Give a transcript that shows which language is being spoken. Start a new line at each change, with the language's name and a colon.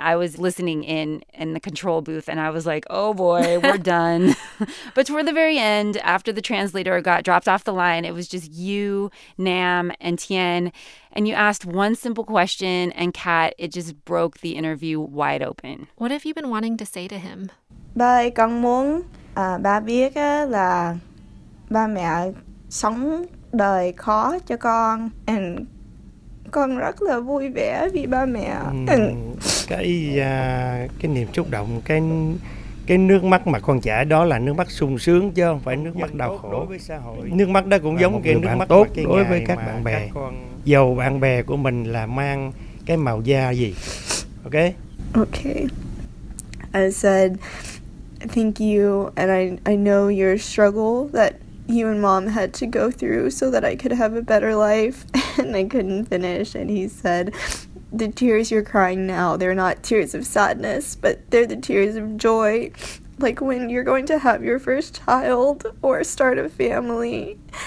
English: I was listening in the control booth, and I was like, oh boy, we're done. But toward the very end, after the translator got dropped off the line, it was just you, Nam, and Tien. And you asked one simple question, and Kat, it just broke the interview wide open. What have you been wanting to say to him?
Vietnamese: Ba gong mong, ba biết là ba mẹ sống đời khó cho con, and con rất là vui vẻ vì ba mẹ. Cái niềm xúc động, cái nước mắt mà con chảy đó là nước mắt sung sướng chứ không phải nước mắt đau khổ. Đối với xã hội. Nước mắt đó cũng giống cái nước mắt tốt đối với các bạn bè. Dầu bạn bè của mình là mang cái màu da gì.
English: Okay? Okay. I said thank you, and I know your struggle that you and mom had to go through so that I could have a better life, and I couldn't finish. And he said, the tears you're crying now, they're not tears of sadness, but they're the tears of joy, like when you're going to have your first child or start a family.